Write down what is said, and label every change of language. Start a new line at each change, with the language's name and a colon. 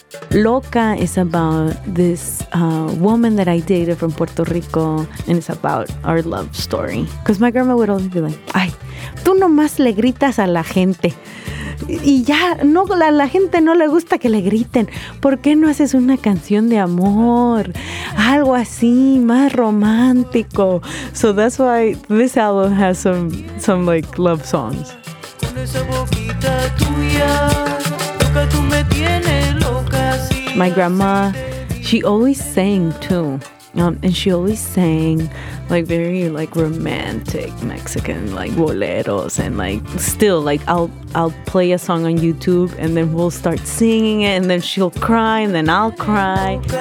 English: Loca is about this woman that I dated from Puerto Rico, and it's about our love story. Because my grandma would always be like,
Spanish: ay, tú nomás le gritas a la gente. Y ya, no, la gente no le gusta que le griten. ¿Por qué no haces una canción de amor? Algo así, más romántico.
English: So that's why this album has some like love songs.
Spanish: Con esa boquita tuya, loca tú me tienes.
English: My grandma, she always sang too, and she always sang like very like romantic Mexican like boleros, and like still like I'll play a song on YouTube and then we'll start singing it, and then she'll cry and then I'll cry.